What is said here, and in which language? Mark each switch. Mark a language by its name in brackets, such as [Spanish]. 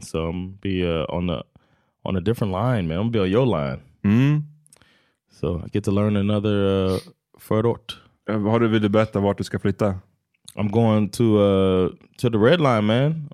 [English] So I'm be on a different line, man. I'm be on your line. Mm. So I get to learn another förort. [Swedish] Har du vill berätta vart du ska flytta? [English] I'm going to the red line, man.